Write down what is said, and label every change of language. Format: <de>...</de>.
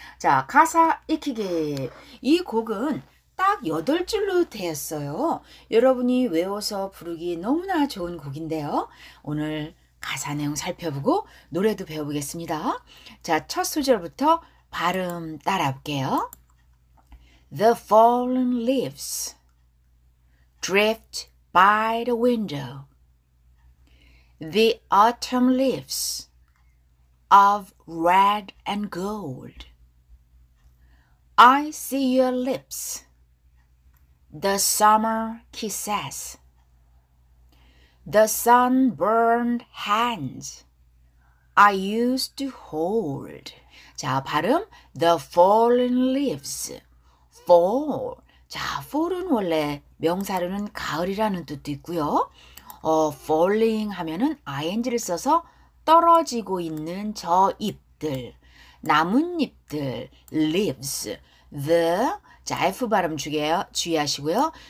<ko>자, 가사 익히기. 이 곡은 딱 8줄로 되었어요. 여러분이 외워서 부르기 너무나 좋은 곡인데요. 오늘 가사 내용 살펴보고 노래도 배워보겠습니다. 자, 첫 소절부터 발음 따라볼게요.</ko> <en>The fallen leaves drift by the window. The autumn leaves of red and gold. I see your lips. The summer kisses. The sunburned hands I used to hold.</en> <ko>자, 발음</ko> <en>The fallen leaves. Fall.</en> <ko>자, fall은 원래 명사로는 가을이라는 뜻도 있고요. Falling 하면은 ing를 써서 떨어지고 있는 저 잎들, 나뭇잎들, leaves. The, 자, F 발음 주의하시고요.</ko>